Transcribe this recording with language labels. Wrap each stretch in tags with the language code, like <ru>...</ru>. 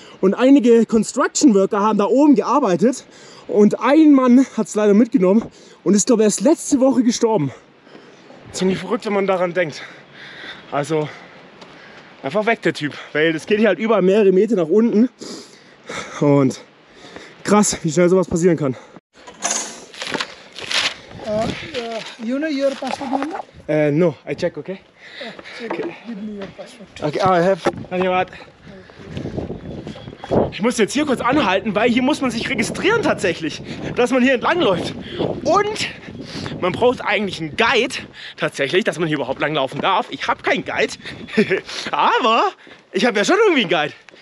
<de>Und einige Construction Worker haben da oben gearbeitet. Und ein Mann hat es leider mitgenommen und ist, glaube ich, erst letzte Woche gestorben. Ziemlich verrückt, wenn man daran denkt. Also, einfach weg, der Typ. Weil das geht hier halt über mehrere Meter nach unten. Und krass, wie schnell sowas passieren kann.</de> <en>You know your password number? No, I check, okay? Check, give me your password. Okay, I have.</en> <de>Ich muss jetzt hier kurz anhalten, weil hier muss man sich registrieren tatsächlich, dass man hier entlangläuft. Und man braucht eigentlich einen Guide tatsächlich, dass man hier überhaupt langlaufen darf. Ich habe keinen Guide, aber ich habe ja schon irgendwie einen Guide.</de>